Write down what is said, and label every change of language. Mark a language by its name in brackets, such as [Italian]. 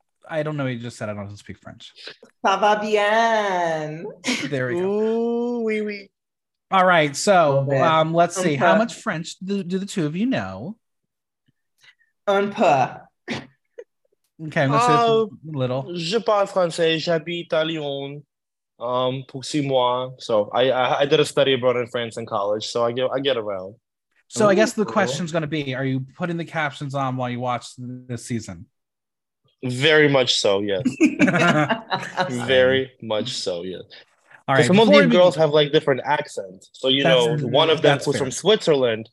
[English] I don't know what you just said. I don't speak French. [French] Ça va bien. [English] There we go. [French] Ooh, oui, oui. [English] All right, so let's see. How much French do the two of you know? [French] Un peu. [English] Okay, let's say a little. [French] Je parle français, j'habite à Lyon pour 6 mois. [English] So I did a study abroad in France in college, so I get around. So ooh, I guess the question's going to be, are you putting the captions on while you watch this season? Very much so, yes. Very much so, yes. All right, some of these girls have like different accents. So, one of them was from Switzerland.